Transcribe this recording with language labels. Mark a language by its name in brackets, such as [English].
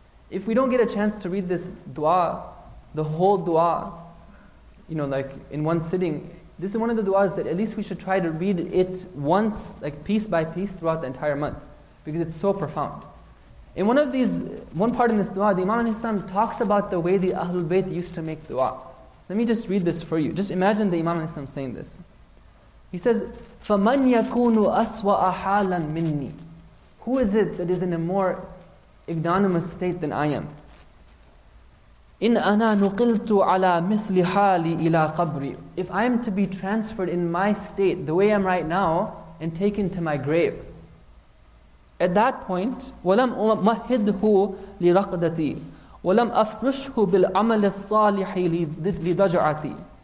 [English] If we don't get a chance to read this du'a, the whole du'a, you know, like in one sitting, this is one of the du'as that at least we should try to read it once, like piece by piece throughout the entire month, because it's so profound. In one of these, one part in this dua, the Imam al-Islam talks about the way the Ahlul Bayt used to make dua. Let me just read this for you. Just imagine the Imam al-Islam saying this. He says, [Arabic] فَمَنْ يَكُونُ أَسْوَأَ حَالًا مِنِّي. [English] Who is it that is in a more ignominious state than I am? [Arabic] إِنْ أَنَا نُقِلْتُ عَلَىٰ مِثْلِ حَالِ إِلَىٰ قَبْرِ. [English] If I am to be transferred in my state, the way I am right now, and taken to my grave, at that point, [Arabic] وَلَمْ أُمَهِّدْهُ لِرَقْدَتِي وَلَمْ أَفْرُشْهُ بِالْعَمَلِ الصَّالِحِ لِدَجْعَتِي.